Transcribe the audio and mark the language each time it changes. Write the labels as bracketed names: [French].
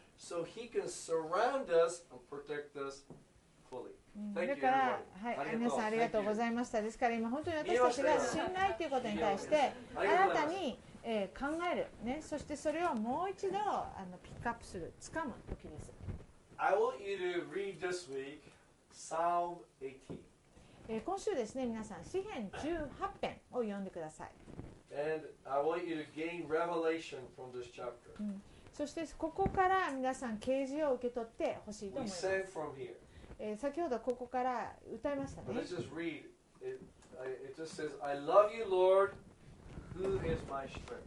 [English] So he can surround us and protect us fully. Thank you, everyone. [Japanese] はい、ありがとうございました。ですから今本当に私たちが信頼ということに対して、あなたに考えるね、そしてそれをもう一度ピックアップする、掴む時です。 [English] I want you to read this week Psalm 18. [Japanese] 今週ですね、皆さん詩篇18編を読んでください。 [English] And I want you to gain revelation from this chapter. [Japanese] そしてここから皆さん啓示を受け取ってほしいと思います。先ほどここから歌いましたね。 [English] Let's just read it. It just says, I love you, Lord, who is my strength.